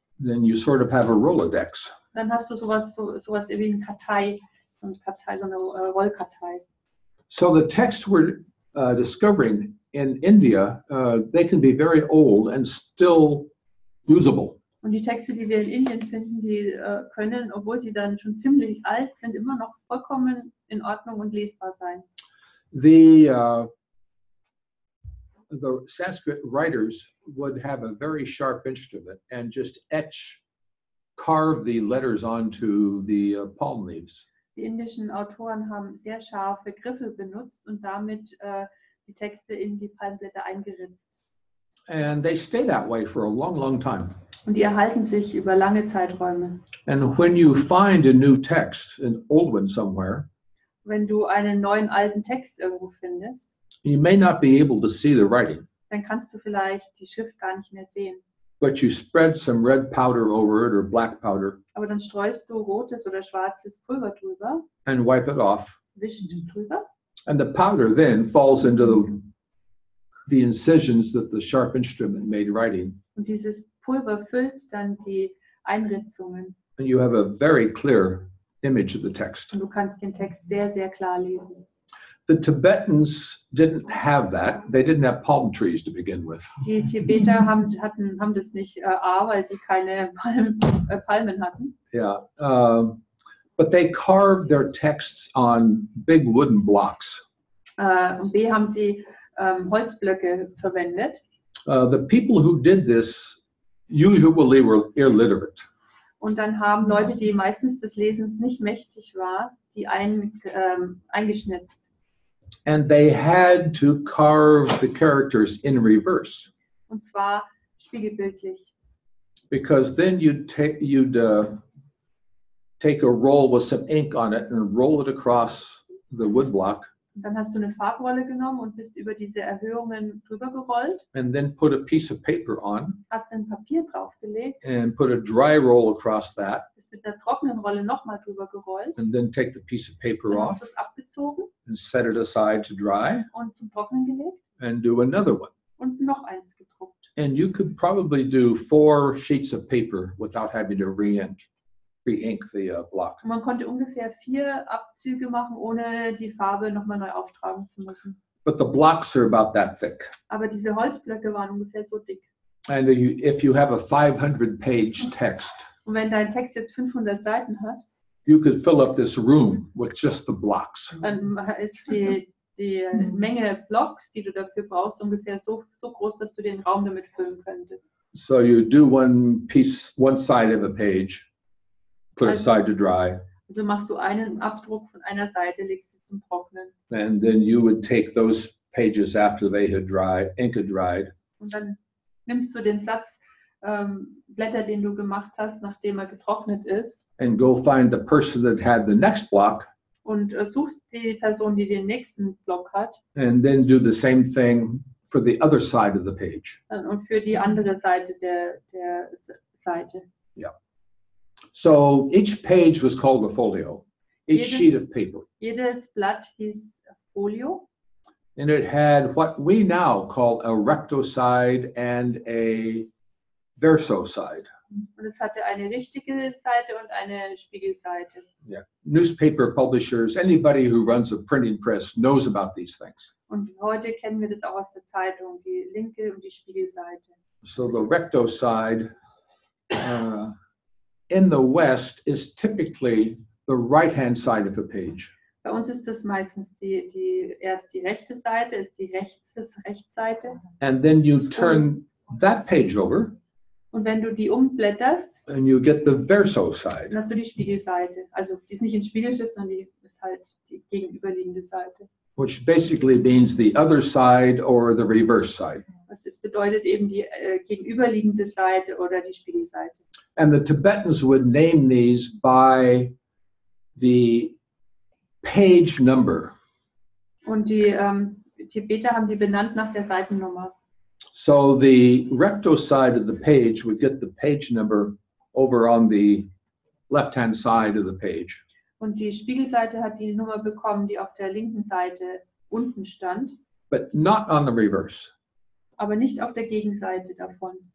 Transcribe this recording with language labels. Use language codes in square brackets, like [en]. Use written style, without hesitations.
[en] Then you sort of have a Rolodex. [de] Dann hast du sowas wie ein Kartei, so eine Rollkartei. [en] So the texts we're discovering in India, they can be very old and still usable. [de] Und die Texte, die wir in Indien finden, die können, obwohl sie dann schon ziemlich alt sind, immer noch vollkommen in Ordnung und lesbar sein. [en] The Sanskrit writers would have a very sharp instrument and just carve the letters onto the palm leaves. [de] Die indischen Autoren haben sehr scharfe Griffel benutzt und damit die Texte in die Palmblätter eingeritzt. [en] And they stay that way for a long, long time. [de] Und die erhalten sich über lange Zeiträume. [en] And when you find a new text, an old one somewhere, [de] wenn du einen neuen alten Text irgendwo findest, [en] you may not be able to see the writing. [de] Dann kannst du vielleicht die Schrift gar nicht mehr sehen. [en] But you spread some red powder over it or black powder. [de] Aber dann streust du rotes oder schwarzes Pulver drüber. [en] And wipe it off. [de] Wischst du drüber. [en] And the powder then falls into the incisions that the sharp instrument made writing. [de] Und dieses Pulver füllt dann die Einritzungen. [en] And you have a very clear image of the text. [de] Und du kannst den Text sehr, sehr klar lesen. [en] The Tibetans didn't have that. They didn't have palm trees to begin with. [de] Die Tibeter haben das nicht, weil sie keine Palmen hatten. [en] Yeah, but they carved their texts on big wooden blocks. [de] Und B, haben sie Holzblöcke verwendet. [en] The people who did this usually were illiterate. [de] Und dann haben Leute, die meistens des Lesens nicht mächtig waren, die eingeschnitzt. [en] And they had to carve the characters in reverse. [de] Und zwar spiegelbildlich. [en] Because then you'd take a roll with some ink on it and roll it across the woodblock. [de] Dann hast du eine Farbrolle genommen und bist über diese Erhöhungen drüber gerollt. [en] And then put a piece of paper on. [de] Hast ein Papier draufgelegt. [en] And put a dry roll across that. [de] Bist mit einer trockenen Rolle nochmal drüber gerollt. [en] And then take the piece of paper [de] dann [en] off. [de] Hast du es abgezogen. [en] And set it aside to dry. [de] Und zum Trocknen gelegt. [en] And do another one. [de] Und noch eins gedruckt. [en] And you could probably do 4 sheets of paper without having to re-ink. Re-ink the block. [de] Man konnte ungefähr 4 Abzüge machen, ohne die Farbe nochmal neu auftragen zu müssen. [en] But the blocks are about that thick. [de] Aber diese Holzblöcke waren ungefähr so dick. [en] And if you have a 500-page text, [de] und wenn dein Text jetzt 500 Seiten hat, [en] you could fill up this room with just the blocks. [de] Dann ist die Menge Blocks, die du dafür brauchst, ungefähr so groß, dass du den Raum damit füllen könntest. [en] So you do one side of a page. Put aside to dry. [de] Also machst du einen Abdruck von einer Seite, legst sie zum Trocknen. [en] And then you would take those pages after they had dried, ink had dried. [de] Und dann nimmst du den Satz Blätter, den du gemacht hast, nachdem er getrocknet ist. [en] And go find the person that had the next block. [de] Und suchst die Person, die den nächsten Block hat. [en] And then do the same thing for the other side of the page. [de] Und für die andere Seite der Seite. Ja. [en] Yeah. So each page was called a folio, sheet of paper. [de] Jedes Blatt hieß Folio. [en] And it had what we now call a recto side and a verso side. [de] Und es hatte eine richtige Seite und eine Spiegelseite. [en] Yeah. Newspaper publishers, anybody who runs a printing press knows about these things. [de] Und heute kennen wir das auch aus der Zeitung, die linke und die Spiegelseite. [en] So the recto side. In the West is typically the right-hand side of the page. [de] Bei uns ist das meistens erst die rechte Seite, ist die Rechtsseite. [en] And then you turn that page over. [de] Und wenn du die umblätterst. [en] And you get the verso side. [de] Dann hast du die Spiegelseite. Also die ist nicht in Spiegelschrift, sondern die ist halt die gegenüberliegende Seite. [en] Which basically means the other side or the reverse side. [de] Das bedeutet eben die gegenüberliegende Seite oder die Spiegelseite. [en] And the Tibetans would name these by the page number. [de] Und die Tibeter haben die benannt nach der Seitennummer. [en] So the recto side of the page would get the page number over on the left-hand side of the page. [de] Und die Spiegelseite hat die Nummer bekommen, die auf der linken Seite unten stand. [en] But not on the reverse. [de] Aber nicht auf der Gegenseite davon.